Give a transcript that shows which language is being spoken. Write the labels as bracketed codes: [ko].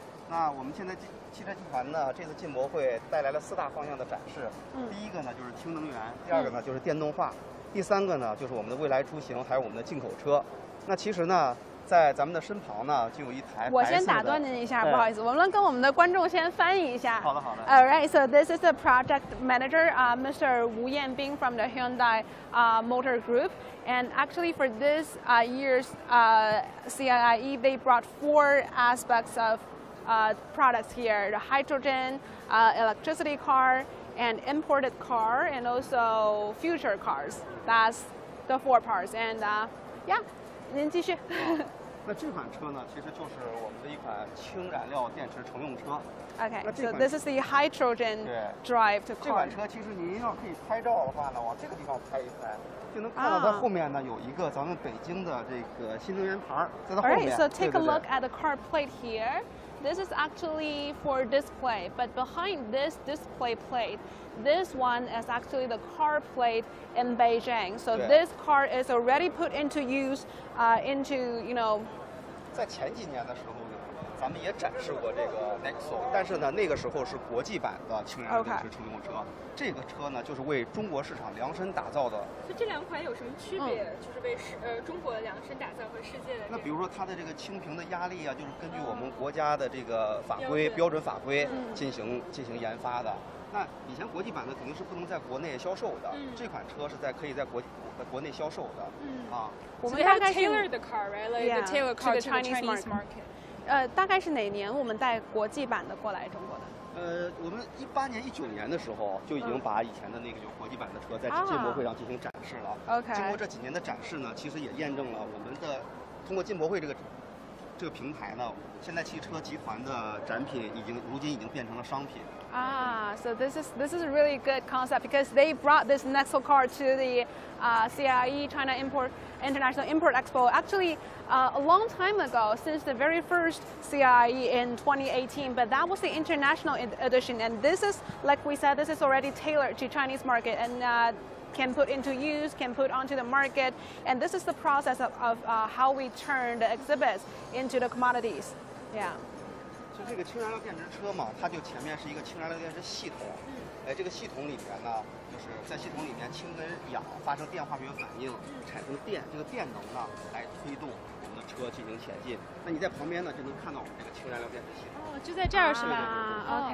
[zh] 那我们现在汽车集团呢，这次进博会带来了四大方向的展示。第一个呢就是氢能源，第二个呢就是电动化，第三个呢就是我们的未来出行，还有我们的进口车。那其实呢，在咱们的身旁呢，就有一台。我先打断您一下，不好意思，我们能跟我们的观众先翻译一下。好的，好的。 [en] All right, so this is the project manager, Mr. Wu Yanbin from the Hyundai, Motor Group. And actually, for this year's CIIE, they brought four aspects of. Products here, the hydrogen, electricity car, and imported car, and also future cars. That's the four parts. And yeah, [zh] 您继续。那这款车呢，其实就是我们的一款氢燃料电池乘用车。 OK, so this is the hydrogen drive car. 这款车其实您要可以拍照的话呢，往这个地方拍一拍。就能看到它后面呢有一个咱们北京的这个新能源牌在它后面。 [en] Alright, so take a look at the car plate here. This is actually for display, but behind this display plate, this one is actually the car plate in Beijing. So this car is already put into use, into, you know. [zh] 在前几年的时候呢，咱们也展示过这个 Nexo, 但是呢，那个时候是国际版的氢燃料电池乘用车。 [en] Okay. [zh] 这个车呢，就是为中国市场量身打造的。所以这两款有什么区别？就是为中国量身打造和世界的。那比如说它的这个氢瓶的压力啊，就是根据我们国家的这个法规标准法规进行研发的。那以前国际版的肯定是不能在国内销售的，这款车是在可以在国内销售的。我们大概是 [en] tailor the car, right? Like yeah, the tailor car to the Chinese market. [zh] 大概是哪年我们带国际版的过来中国的？我们2018年、2019年的时候就已经把以前的那个就国际版的车在进博会上进行展示了。 [en] OK。 [zh] 经过这几年的展示呢，其实也验证了我们的通过进博会这个平台呢，现代汽车集团的展品如今已经变成了商品。 [en] So this is a really good concept because they brought this Nexo car to the CIIE China International Import Expo. Actually, a long time ago, since the very first CIIE in 2018, but that was the international edition. And this is, like we said, this is already tailored to Chinese market. And can put into use, can put onto the market. And this is the process of how we turn the exhibits into the commodities. Yeah. [zh] 就这个氢燃料电池车嘛，它就前面是一个氢燃料电池系统，哎，这个系统里边呢，就是在系统里面氢跟氧发生电化学反应，产生电，这个电能呢来推动我们的车进行前进。那你在旁边呢，就能看到我们这个氢燃料电池系统。哦，就在这儿是吧？